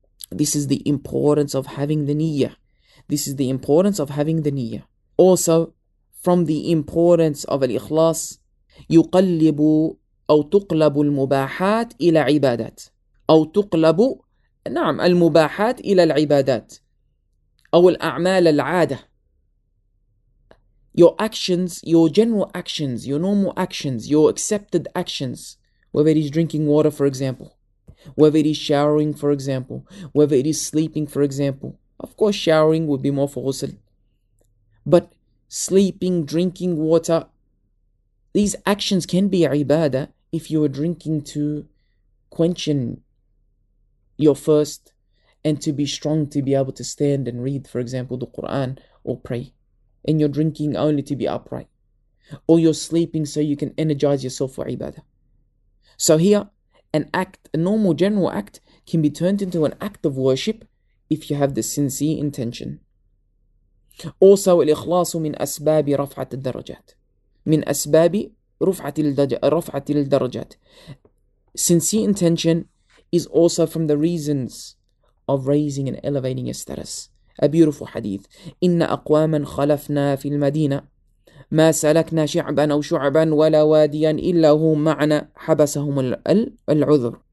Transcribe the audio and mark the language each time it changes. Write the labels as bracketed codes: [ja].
[en] This is the importance of having the niyyah. This is the importance of having the niyyah. Also, from the importance of al-ikhlas, [ar] yuqallibu أو تقلب المباحات إلى عبادات أو تقلب نعم المباحات إلى العبادات أو الأعمال العادة. [en] Your actions, your general actions, your normal actions, your accepted actions, whether it is drinking water for example, whether it is showering for example, whether it is sleeping for example. Of course showering would be more for ghusl, but sleeping, drinking water, these actions can be ibadah if you are drinking to quench your thirst and to be strong to be able to stand and read, for example, the Quran or pray. And you're drinking only to be upright. Or you're sleeping so you can energize yourself for ibadah. So here, an act, a normal general act, can be turned into an act of worship if you have the sincere intention. Also, [ar] الإخلاص من أسباب رفعة الدرجات. من أسباب رفعة الدرجات. [en] Sincere intention is also from the reasons of raising and elevating a status. A beautiful hadith. [ar] إِنَّ أَقْوَامًا خَلَفْنَا فِي الْمَدِينَةِ مَا سَلَكْنَا شِعْبًا أَوْ شُعْبًا وَلَا وَادِيًا إِلَّا هُمْ مَعْنَا حَبَسَهُمُ الْعُذُرُ.